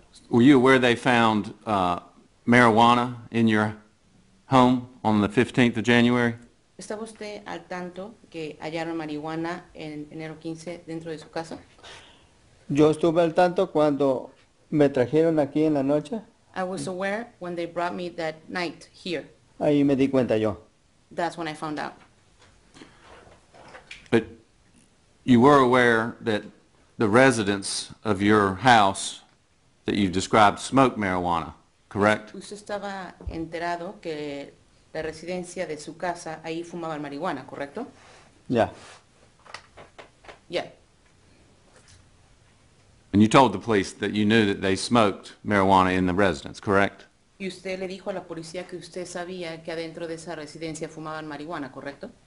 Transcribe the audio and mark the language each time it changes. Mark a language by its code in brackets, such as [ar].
[en] Were you aware they found marijuana in your home on the 15th of January? [es] ¿Estaba usted al tanto que hallaron marihuana en enero 15 dentro de su casa? Yo estuve al tanto cuando me trajeron aquí en la noche. [en] I was aware when they brought me that night here. [es] Ahí me di cuenta yo. [en] That's when I found out. But you were aware that the residents of your house that you've described smoked marijuana, correct? [es] Usted estaba enterado que la residencia de su casa ahí fumaba marihuana, ¿correcto? [en] Yeah. Yeah. And you told the police that you knew that they smoked marijuana in the residence, correct? [es] Y usted le dijo a la policía que usted sabía que adentro de esa residencia fumaban marihuana, ¿correcto?